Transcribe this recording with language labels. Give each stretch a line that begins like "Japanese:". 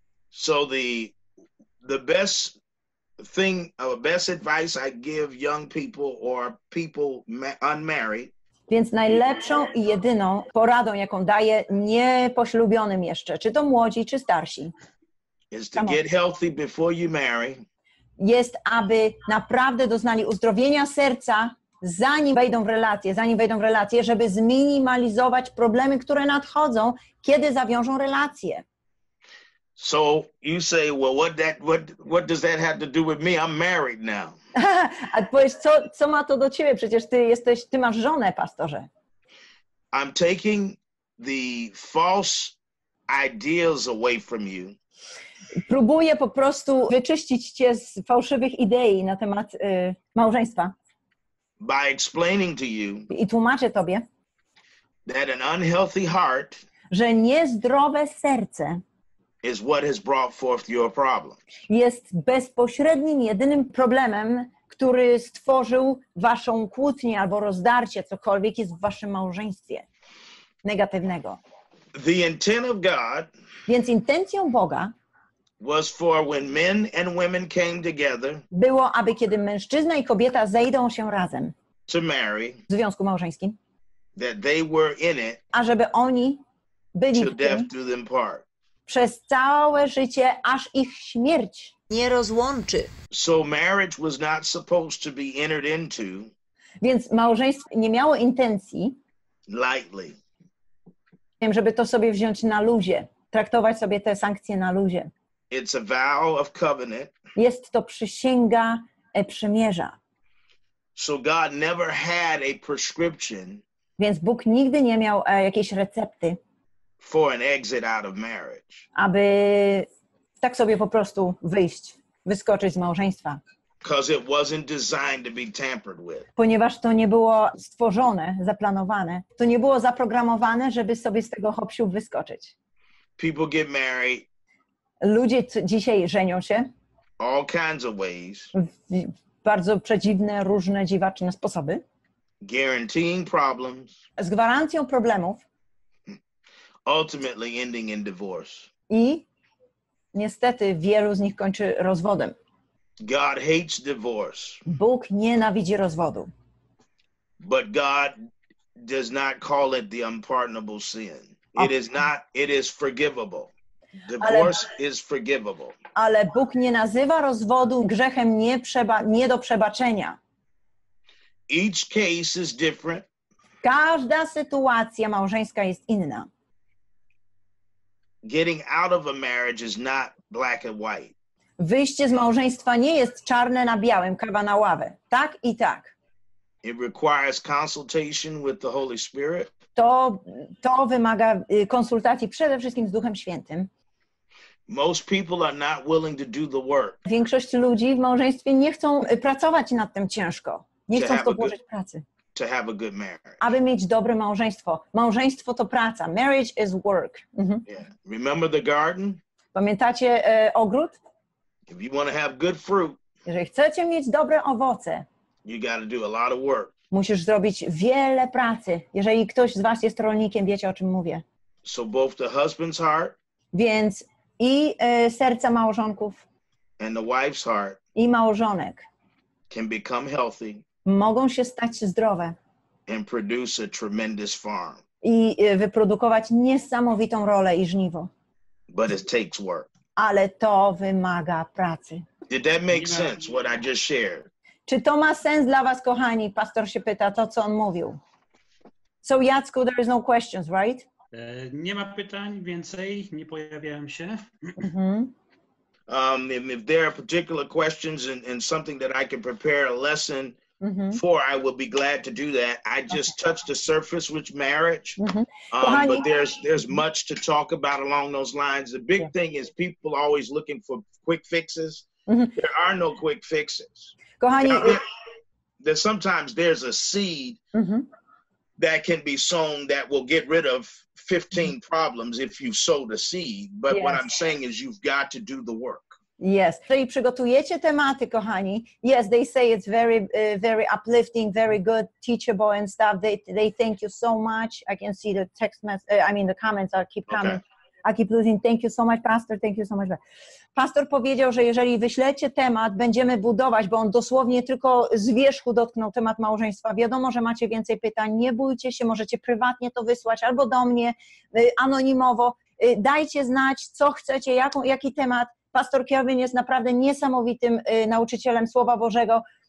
English: So the best thing, best advice I give young people or people unmarried.
Polish: Więc najlepszą i jedyną poradą, jaką daję nieposlubionym jeszcze, czy to młodzi, czy starsi.
English: Is to get healthy before you marry.
Polish: Jest, aby naprawdę doznali uzdrowienia serca, zanim wejdą w relacje, żeby zminimalizować problemy, które nadchodzą, kiedy zawiążą relacje.
English: So you say, well, what does that have to do with me? I'm married now.
Polish: A powiedz, co ma to do ciebie? Przecież ty masz żonę, pastorze.
English: I'm taking the false ideas away from you.
Polish: Próbuję po prostu wyczyścić cię z fałszywych idei na temat małżeństwa.
English: By explaining to you.
Polish: I tłumaczę tobie.
English: That an unhealthy heart.
Polish: Że niezdrowe serce.
English: Is what has brought forth your problem.
Polish: Jest bezpośrednim, jedynym problemem, który stworzył waszą kłótnię albo rozdarcie, cokolwiek jest w waszym małżeństwie negatywnego.
English: The intent of God.
Polish: Więc intencją Boga.
English: Was for when men and women came together.
Polish: Było, aby kiedy mężczyzna i kobieta zejdą się razem.
English: To marry.
Polish: W związku małżeńskim.
English: That they were in it.
Polish: A żeby oni byli w tym.
English: To death do them part.
Polish: Przez całe życie, aż ich śmierć nie rozłączy.
English: So marriage was not supposed to be entered into.
Polish: Więc małżeństwo nie miało intencji.
English: Lightly.
Polish: Żeby to sobie wziąć na luzie. Traktować sobie te sankcje na luzie.
English: It's a vow of covenant.
Polish: Jest to przysięga przymierza.
English: So God never had a prescription.
Polish: Więc Bóg nigdy nie miał jakiejś recepty.
English: For an exit out of marriage.
Polish: Aby tak sobie po prostu wyjść, wyskoczyć z małżeństwa.
English: Because it wasn't designed to be tampered with.
Polish: Ponieważ to nie było stworzone, zaplanowane. To nie było zaprogramowane, żeby sobie z tego hopsiu wyskoczyć.
English: People get married.
Polish: Ludzie dzisiaj żenią się.
English: All kinds of ways.
Polish: W bardzo przedziwne, różne, dziwaczne sposoby.
English: Guaranteeing problems.
Polish: Z gwarancją problemów.
English: Ultimately ending in divorce.
Polish: I niestety wielu z nich kończy rozwodem.
English: God hates divorce.
Polish: Bóg nienawidzi rozwodu.
English: But God does not call it the unpardonable sin. It is forgivable. Divorce is forgivable.
Polish: Ale Bóg nie nazywa rozwodu grzechem nie do przebaczenia.
English: Each case is different.
Polish: Każda sytuacja małżeńska jest inna.
English: Getting out of a marriage is not black and white.
Polish: Wyjście z małżeństwa nie jest czarne na białym, kawa na ławę. Tak i tak.
English: It requires consultation with the Holy Spirit.
Polish: To wymaga konsultacji przede wszystkim z Duchem Świętym.
English: Most people are not willing to do the work.
Polish: Większość ludzi w małżeństwie nie chcą pracować nad tym ciężko. Nie chcą w to włożyć pracy.
English: To have a good marriage.
Polish: Aby mieć dobre małżeństwo. Małżeństwo to praca.
English: Marriage is work. Yeah. Remember the garden?
Polish: Pamiętacie ogród?
English: If you want to have good fruit,
Polish: jeżeli chcecie mieć dobre owoce,
English: you got to do a lot of work.
Polish: Musisz zrobić wiele pracy. Jeżeli ktoś z was jest rolnikiem, wiecie, o czym mówię.
English: So both the husband's heart,
Polish: więc i serca małżonków,
English: and the wife's heart,
Polish: i małżonek,
English: can become healthy,
Polish: mogą się stać zdrowe,
English: and produce a tremendous farm.
Polish: I wyprodukować niesamowitą rolę i żniwo.
English: But it takes work.
Polish: Ale to wymaga pracy.
English: Did that make sense, what I just shared?
Polish: Czy to ma sens dla was, kochani? Pastor się pyta to, co on mówił.
English: So, Jacku, there is no questions, right?
Polish: Nie ma pytań więcej, nie pojawiają się.
English: If there are particular questions and something that I can prepare a lesson for, I will be glad to do that. I just touched the surface with marriage, but there's much to talk about along those lines. The big thing is people always looking for quick fixes. There are no quick fixes.
Polish: Kochani,
English: there's sometimes there's a seed that can be sown that will get rid of 15 problems if you sow the seed. But what I'm saying is you've got to do the work. Yes.
Polish: Jeżeli przygotujecie tematy, kochani,
English: yes, they say it's very, very uplifting, very good, teachable and stuff. They thank you so much. I can see the text message, the comments are keep coming. Okay. I keep losing. Thank you so much, Pastor. Thank you so much.
Polish: Pastor powiedział, że jeżeli wyślecie temat, będziemy budować, bo on dosłownie tylko z wierzchu dotknął temat małżeństwa. Wiadomo, że macie więcej pytań. Nie bójcie się, możecie prywatnie to wysłać albo do mnie, anonimowo. Dajcie znać, co chcecie, jaki temat. Pastor Kelvin jest naprawdę niesamowitym nauczycielem Słowa Bożego.